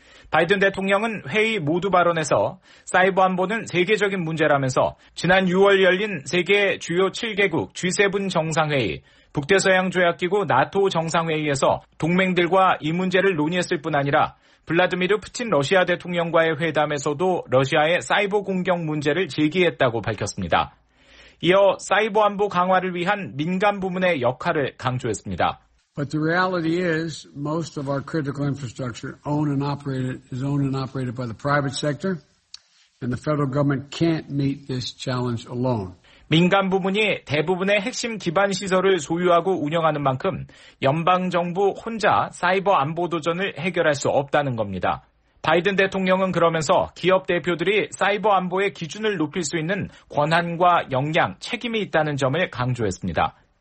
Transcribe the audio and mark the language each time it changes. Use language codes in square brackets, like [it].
[ko] 바이든 대통령은 회의 모두 발언에서 사이버 안보는 세계적인 문제라면서 지난 6월 열린 세계 주요 7개국 G7 정상회의, 북대서양 조약기구 나토 정상회의에서 동맹들과 이 문제를 논의했을 뿐 아니라 블라드미르 푸틴 러시아 대통령과의 회담에서도 러시아의 사이버 공격 문제를 제기했다고 밝혔습니다. 이어 사이버 안보 강화를 위한 민간 부문의 역할을 강조했습니다. [en] But the reality is most of our critical infrastructure owned and operated by the private sector and the federal government can't meet this challenge alone. [ko] 민간 부문이 대부분의 핵심 기반 시설을 소유하고 운영하는 만큼 연방 정부 혼자 사이버 안보 도전을 해결할 수 없다는 겁니다. 바이든 대통령은 그러면서 기업 대표들이 사이버 안보의 기준을 높일 수 있는 권한과 역량, 책임이 있다는 점을 강조했습니다.